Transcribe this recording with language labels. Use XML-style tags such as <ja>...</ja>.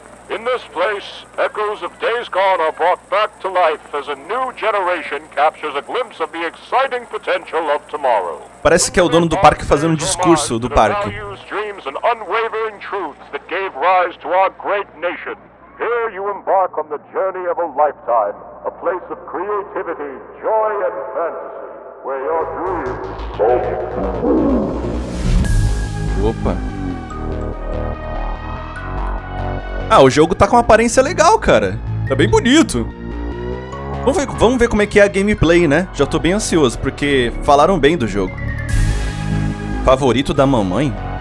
<en>In this place, echoes of days gone are brought back to life as a new generation captures a glimpse of the exciting potential of tomorrow.</en> <pt>Parece que é o dono do parque fazendo um discurso do parque.</pt> <en>Dreams and unwavering truths that gave rise to our great nation. Here you embark on the journey of a lifetime, a place of creativity, joy and fantasy, where your dreams are.</en> <pt>Opa. Ah, o jogo tá com uma aparência legal, cara. Tá bem bonito. Vamos ver como é que é a gameplay, né? Já tô bem ansioso, porque falaram bem do jogo. Favorito da mamãe?</pt>